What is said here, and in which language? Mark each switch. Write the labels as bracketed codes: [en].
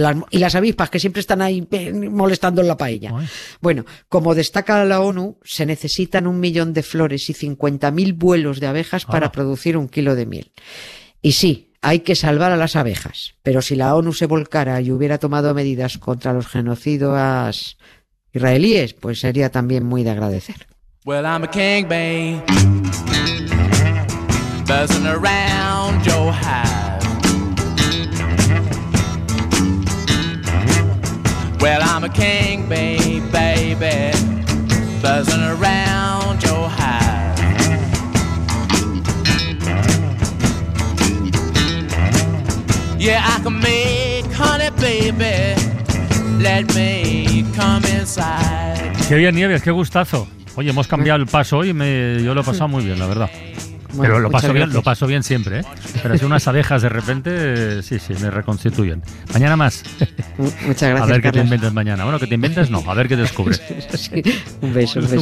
[es] Y las avispas, que siempre están ahí molestando en la paella. Bueno, como destaca la ONU, se necesitan 1 millón de flores y 50.000 vuelos de abejas para producir 1 kilo de miel. Y sí, hay que salvar a las abejas. Pero si la ONU se volcara y hubiera tomado medidas contra los genocidas israelíes, pues sería también muy de agradecer. [en] Well, I'm a king bee, buzzing around your hive. Well, I'm a king bee, baby, buzzing around your hive. Yeah, I can make honey, baby, let me come inside. [es] Qué bien, Nieves, qué gustazo. Oye, hemos cambiado el paso hoy y yo lo he pasado muy bien, la verdad. Bueno, pero lo paso bien, lo paso bien siempre, ¿eh? Pero si unas abejas de repente, sí, sí, me reconstituyen. Mañana más. Muchas gracias, a ver Qué te inventas mañana. Bueno, que te inventas, no, a ver qué descubres. Sí. Un beso, un beso.